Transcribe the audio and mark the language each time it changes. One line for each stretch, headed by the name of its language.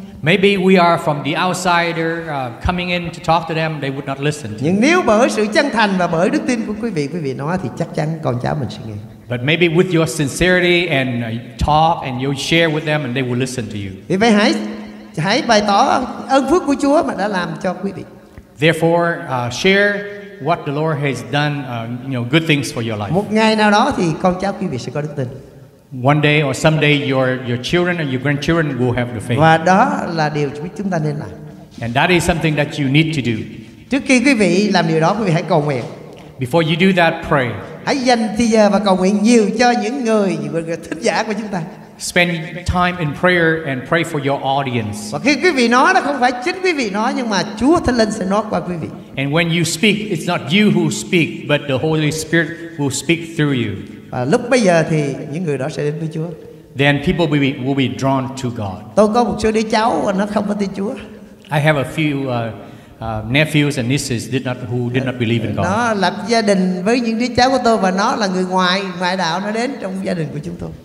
English: Maybe we are from the outsider coming in to talk to them, they would not listen.
Vietnamese: Nhưng nếu bởi sự chân thành và bởi đức tin của quý vị nói thì chắc chắn con cháu mình sẽ nghe.
English: But maybe with your sincerity and talk and you share with them and they will listen to you.
Vietnamese: Vì vậy hãy bày tỏ ơn phước của Chúa mà đã làm cho quý vị.
English: Therefore, share what the Lord has done, good things for your life.
Vietnamese: Một ngày nào đó thì con cháu quý vị sẽ có đức tin.
English: One day or someday your children or your grandchildren will have the faith.
Vietnamese: Và đó là điều chúng ta nên làm.
English: And that is something that you need to do.
Vietnamese: Trước khi quý vị làm điều đó, quý vị hãy cầu nguyện.
English: Before you do that, pray.
Vietnamese: Hãy dành thời giờ và cầu nguyện nhiều cho những người thính giả của chúng ta.
English: Spend time in prayer and pray for your audience.
Vietnamese: Và khi quý vị nói đó không phải chính quý vị nói nhưng mà Chúa Thánh Linh sẽ nói qua quý vị.
English: And when you speak, it's not you who speak, but the Holy Spirit will speak through you.
Vietnamese: Và lúc bây giờ thì những người đó sẽ đến với Chúa.
English: Then people will be drawn to God.
Vietnamese: Tôi có một số đứa cháu và nó không có tin Chúa.
English: I have a few nephews and nieces who did not believe in God.
Vietnamese: Nó lập gia đình với những đứa cháu của tôi và nó là người ngoại đạo, nó đến trong gia đình của chúng tôi.